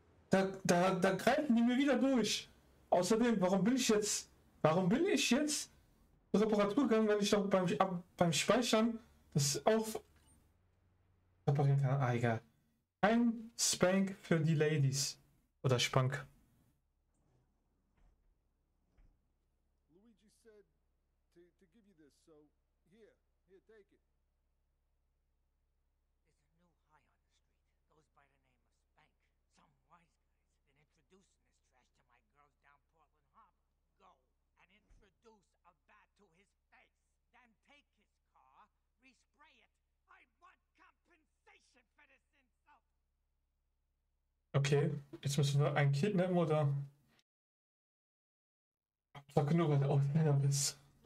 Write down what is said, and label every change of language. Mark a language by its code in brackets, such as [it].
[de] Da greifen die mir wieder durch. Außerdem, warum bin ich jetzt Reparatur gegangen, wenn ich doch beim Speichern das auch reparieren kann. Ah, egal. Ein Spank für die Ladies. Oder Spank. [en] Luigi said to give you this, so here, take it. There's a new high on the street. Goes by the name of Spank. Some wise guy's been introducing this trash to my girls down Portland Harbor. Go and introduce a bat to his face. Then take his car, respray it. I want compensation for this insult. [de] Okay, jetzt müssen wir einen kidnappen, oder? Sag nur, weil du auch länger bist.